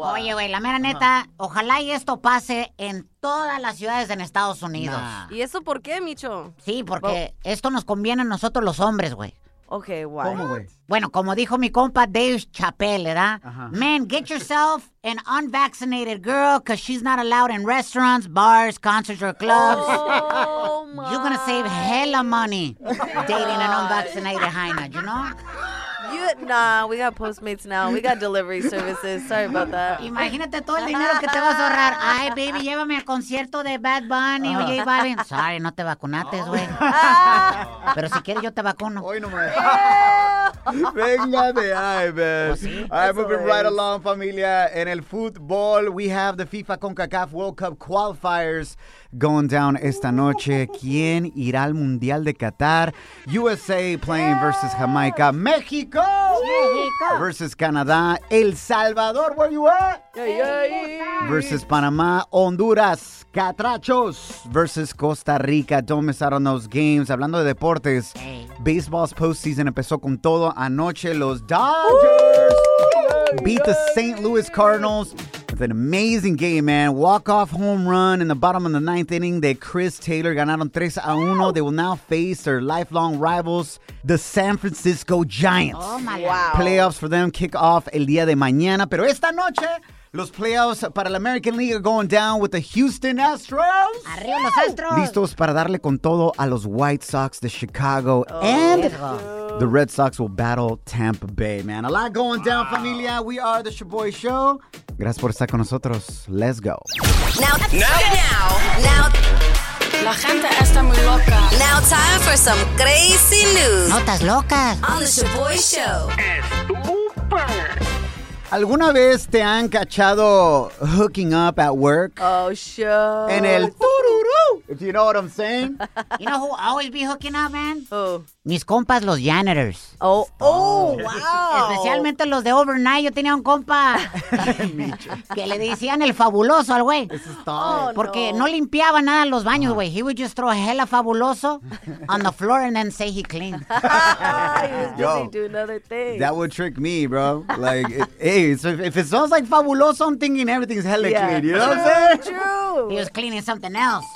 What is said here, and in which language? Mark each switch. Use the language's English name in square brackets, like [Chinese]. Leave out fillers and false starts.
[Spanish] Oye, güey, la mera neta, ojalá y esto pase en todas las ciudades en Estados Unidos. ¿Y eso por qué, Micho? Sí, porque esto nos conviene a nosotros los hombres, güey. [English] Okay, why? [Spanish] ¿Cómo, güey? Bueno, como dijo mi compa Dave Chappelle, ¿verdad? Uh-huh. [English] Man, get yourself an unvaccinated girl because she's not allowed in restaurants, bars, concerts, or clubs. Oh, come on. You're going to save hella money dating an unvaccinated hyena, you know? Nah, we got Postmates now. We got delivery services. Sorry about that. [Spanish] Imagínate todo el dinero que te vas a ahorrar. Ay, baby, llévame al concierto de Bad Bunny. Oye, y Balvin. Sorry, no te vacunates, güey. Pero si quieres, yo te vacuno. Hoy no me Venga de ahí, man. [English] All right, moving right along, familia. [Spanish] En el fútbol, [English] we have the FIFA CONCACAF World Cup qualifiers going down [Spanish] esta noche. ¿Quién irá al Mundial de Qatar? [English] USA playing versus Jamaica. [Spanish] México. [English] Versus Canadá. El Salvador, where you at? Versus Panamá. Honduras. Catrachos versus Costa Rica. Don't miss out on those games. [Spanish] Hablando de deportes, [English] baseball's postseason [Spanish] empezó con todo anoche. [English] Los Dodgers beat the St. Louis Cardinals with an amazing game, man. Walk-off home run in the bottom of the ninth inning de Chris Taylor. Ganaron 3-1. They will now face their lifelong rivals, the San Francisco Giants. Oh, my God. Playoffs for them kick off [Spanish] el día de mañana. Pero esta noche, los playoffs para la American League [English] are going down with the Houston Astros. [Spanish] ¡Arriba los Astros! Listos para darle con todo a los White Sox de Chicago. [English] Oh, and the Red Sox will battle Tampa Bay, man. A lot going down, familia. We are the Shaboy Show. [Spanish] Gracias por estar con nosotros. [English] Let's go. Now. [Spanish] La gente está muy loca. [English] Now time for some crazy news. [Spanish] Notas locas. [English] On the Shaboy Show. Estúper. [Spanish] ¿Alguna vez te han cachado [English] hooking up at work? Oh, sure. [Spanish] En el tururú, [English] if you know what I'm saying. You know who always be hooking up, man? Who? [Spanish] Mis compas, los janitors. [English] Oh, wow. [Spanish] Especialmente los de overnight. Yo tenía un compa que le decían el fabuloso al güey. [English] This is tough. Oh, [Spanish] porque no. limpiaba nada los baños, güey. [English] He would just throw a hella fabuloso on the floor and then say he cleaned. He was busy doing other things. That would trick me, bro. Like, hey, so if it sounds like fabuloso, I'm thinking everything's hella clean. You know what I'm saying? True. He was cleaning something else.